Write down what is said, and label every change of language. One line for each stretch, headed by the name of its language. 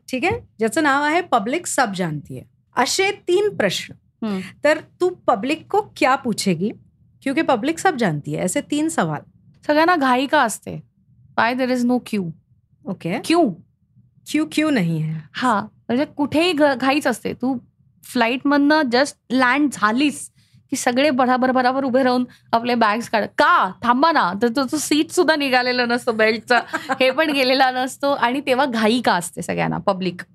Marathi: ठीक आहे, ज्याचं नाव आहे
Hindi: पब्लिक सब जानती है.
Marathi: असे 3 प्रश्न.
Hindi: तर तू पब्लिक को क्या पूछेगी, क्योंकि पब्लिक सब जानती है, ऐसे 3 सवाल.
Marathi: सगळ्यांना घाई का असते,
English: Why there is no queue. Okay. Queue
Hindi: Q Q नाही है.
Marathi: हा, म्हणजे कुठेही घाईच असते. तू फ्लाईट मधन जस्ट लँड झालीस की सगळे बराबर उभे राहून आपले बॅग्स काढ, का थांबा ना, तर तुझं सीट सुद्धा निघालेलं नसतं, बेल्टचा हे पण गेलेला नसतो, आणि तेव्हा घाई का असते सगळ्यांना पब्लिक.